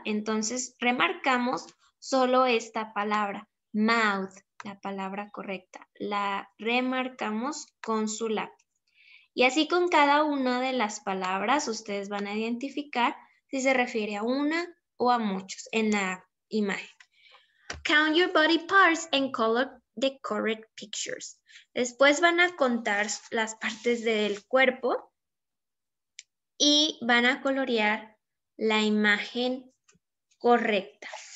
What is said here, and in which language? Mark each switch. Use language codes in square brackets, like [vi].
[es] Entonces, remarcamos solo esta palabra. Mouth, la palabra correcta. La remarcamos con su lápiz. Y así con cada una de las palabras, ustedes van a identificar si se refiere a una o a muchos en la imagen. [en] Count your body parts and color the correct pictures. [es] Después van a contar las partes del cuerpo y van a colorear la imagen correcta.